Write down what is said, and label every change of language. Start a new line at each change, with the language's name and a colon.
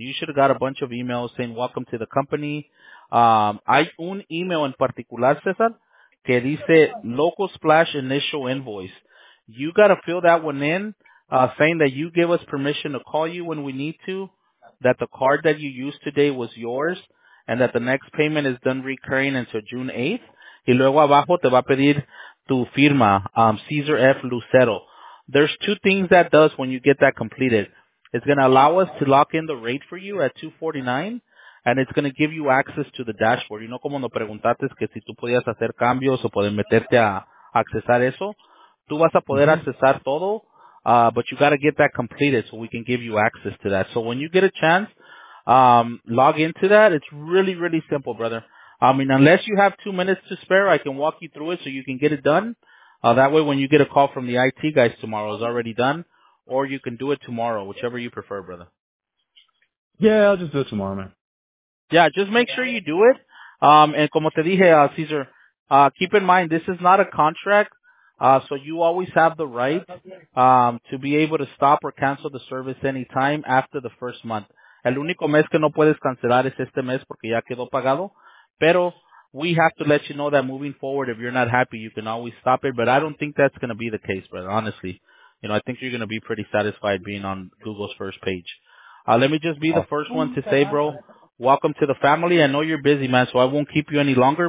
English: You should have got a bunch of emails saying welcome to the company.
Spanish: Hay un email en particular, Cesar, que dice
English: local splash initial invoice. You got to fill that one in. Saying that you give us permission to call you when we need to, that the card that you used today was yours, and that the next payment is done recurring until June 8th.
Spanish: Y luego abajo te va a pedir tu firma, Cesar F. Lucero.
English: There's two things that does when you get that completed. It's going to allow us to lock in the rate for you at $249, and it's going to give you access to the dashboard. You know,
Spanish: como nos preguntaste que si tú podías hacer cambios o poder meterte a accesar eso, tú vas a poder accesar todo.
English: But you gotta get that completed so we can give you access to that. So when you get a chance, log into that. It's really, really simple, brother. I mean, unless you have 2 minutes to spare, I can walk you through it so you can get it done. That way when you get a call from the IT guys tomorrow, it's already done. Or you can do it tomorrow, whichever you prefer, brother. Yeah, I'll just do it tomorrow, man. Yeah, just make sure you do it. And
Spanish: como te dije,
English: Cesar, keep in mind, this is not a contract. So you always have the right to be able to stop or cancel the service anytime after the first month.
Spanish: El único mes que no puedes cancelar es este mes porque ya quedó pagado. Pero
English: we have to let you know that moving forward, if you're not happy, you can always stop it. But I don't think that's going to be the case, brother, honestly. You know, I think you're going to be pretty satisfied being on Google's first page. Let me just be the first one to say, bro, welcome to the family. I know you're busy, man, so I won't keep you any longer.